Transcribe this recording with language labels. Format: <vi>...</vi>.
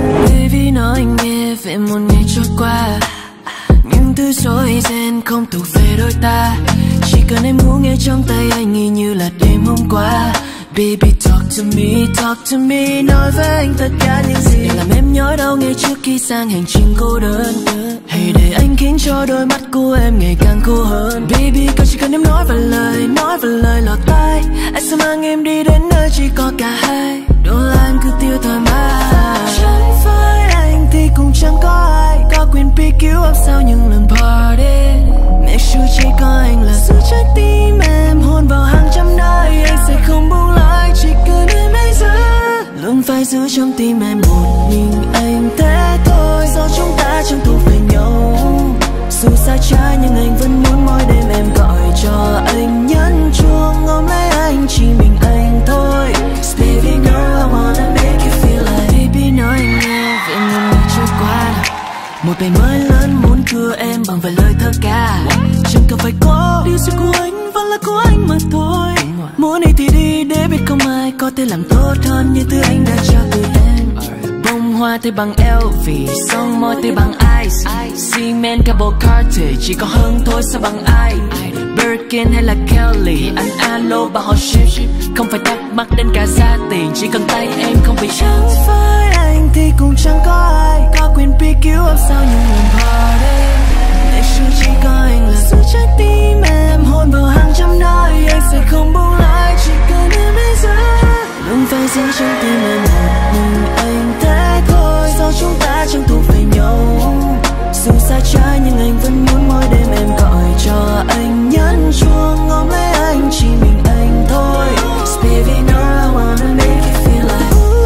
<vi>Baby nói anh nghe về một ngày trôi qua. Những thứ rối ren không thuộc về đôi ta. Chỉ cần em ngủ nghe trong tay anh nghĩ như là đêm hôm qua.</vi> <en>Baby talk to me, talk to me.</en> <vi>Nói với anh tất cả những gì. Để làm em nhớ đau ngay trước khi sang hành trình cô đơn. Hãy để anh khiến cho đôi mắt của em ngày càng khô hơn. Baby con chỉ cần em nói vài lời, nói vài lời lọt tai. Anh sẽ mang em đi đến nơi chỉ có cả hai. Đồ là em cứ tiêu thoải mái. Trái với anh thì cũng chẳng có ai. Có quyền</vi> <en>pick you up</en> <vi>sau những lần party.</vi> <en>Make sure</en> <vi>chỉ có anh là giữ trái tim em. Hôn vào hàng trăm nơi anh sẽ không buông lại. Chỉ cần em hãy giữ. Luôn phải giữ trong tim em một mình anh thế thôi. Do chúng ta chẳng thuộc về nhau. Dù xa trái nhưng anh vẫn muốn mỗi đêm em gọi cho anh nhấn chuông. Ôm lấy anh chỉ mình anh thôi.</vi> <en>Baby girl I wanna make you feel like.</en> <vi>Baby nói anh nghe về những ngày trôi qua. Một ngày mới lớn muốn cưa em bằng vài lời thơ ca. Chẳng cần phải có điều gì của anh vẫn là của anh mà thôi. Muốn đi thì đi để biết không ai có thể làm tốt hơn như thứ anh đã cho từ em. Bông hoa thì bằng LV, son môi thì bằng ice.</vi> <en>Cement cable car</en> <vi>thì chỉ có hương thôi sao bằng ai. Birkin hay là Kelly, anh alo bà họ ship. Không phải thắc mắc đến cả giá tiền, chỉ cần tay em không bị chán. Với anh thì cũng chẳng có ai. Có quyền</vi> <en>pick you up</en> <vi>sau những lần party. Để sự chỉ có anh là giữ trái tim em. Hôn vào hàng trăm nơi, anh sẽ không buông lại. Chỉ cần em hãy giữ. Luôn phải giữ trong tim em một mình anh thế thôi. Do chúng ta chẳng thuộc về nhau. Dù xa trái nhưng anh vẫn muốn mỗi đêm em gọi cho anh nhấn chuông. Ôm lấy anh chỉ mình anh thôi.</vi> <en>Baby no I wanna make you feel like.</en>